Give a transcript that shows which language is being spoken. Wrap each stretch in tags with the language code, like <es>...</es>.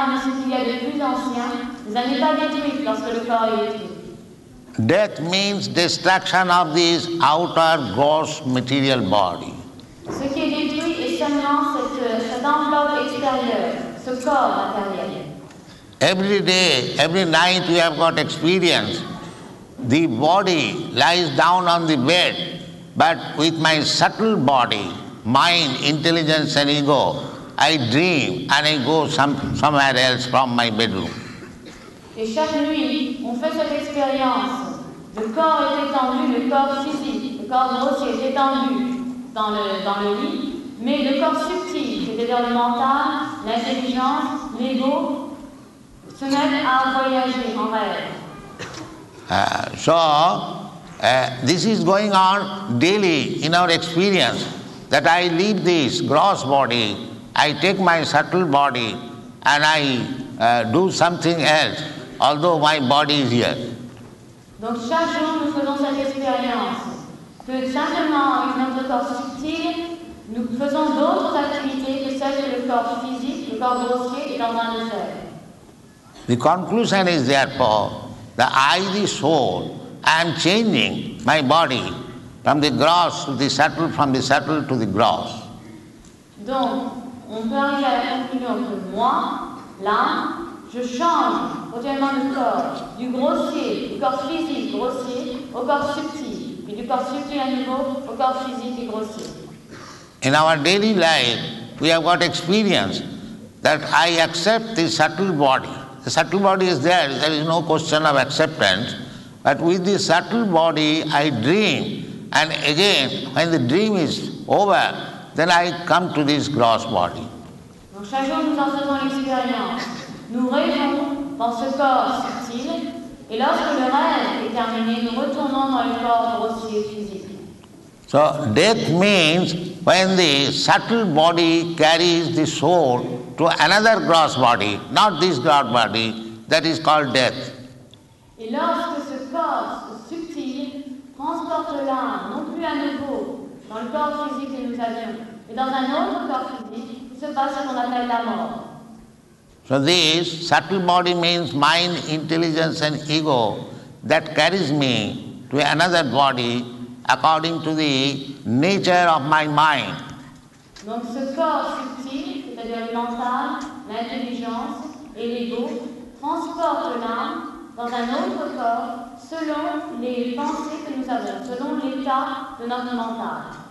<fr>L'âme est éternelle, ce qu'il y a de plus ancien, vous n'allez pas détruire lorsque le corps est détruit.</fr> <en>Death means destruction of this outer gross material body.</en> <fr>Ce qui est détruit est seulement cette enveloppe extérieure, ce corps matériel.</fr> <en>Every day, every night we have got experience. The body lies down on the bed, but with my subtle body, mind, intelligence and ego, I dream and I go somewhere else from my bedroom.</en> <fr>Et chaque nuit, on fait cette expérience. Le corps est étendu, le corps physique, le corps grossier est étendu dans le lit, mais le corps subtil, c'est-à-dire le mental, l'intelligence, l'ego, se met à voyager en rêve.</fr> <en>This is going on daily in our experience, that I leave this gross body, I take my subtle body and I do something else, although my body is here.</en> <fr>Donc chaque jour nous faisons cette expérience que simplement avec notre corps subtil, nous faisons d'autres activités que celles du corps physique, le corps grossier et l'organe de faire.</fr> <en>The conclusion is therefore that I, the soul, I am changing my body from the gross to the subtle, from the subtle to the gross.</en> <fr>Donc, on peut arriver à la conclusion que moi, l'âme, je change continuellement le corps, du grossier, du corps physique grossier, au corps subtil, et du corps subtil à nouveau, au corps physique et grossier.</fr> <en>In our daily life, we have got experience that I accept the subtle body. The subtle body is there, there is no question of acceptance, but with the subtle body, I dream, and again, when the dream is over, then I come to this gross body.</en> <fr>Donc chaque jour nous en faisons l'expérience. Nous rêvons dans ce corps subtil, et lorsque le rêve est terminé, nous retournons dans le corps grossier physique.</fr> <en>So death means when the subtle body carries the soul to another gross body, not this gross body, that is called death.</en> <fr>Et lorsque ce corps subtil transporte l'âme non plus à nouveau dans le corps physique que nous avions, et dans un autre corps physique, se passe ce qu'on appelle la mort.</fr> <en>So this subtle body means mind, intelligence and ego that carries me to another body according to the nature of my mind.</en> <fr>Donc ce corps subtil, c'est-à-dire le mental, l'intelligence et l'ego, transporte l'âme dans un autre corps selon les pensées que nous avons, selon l'état de notre mental.</fr>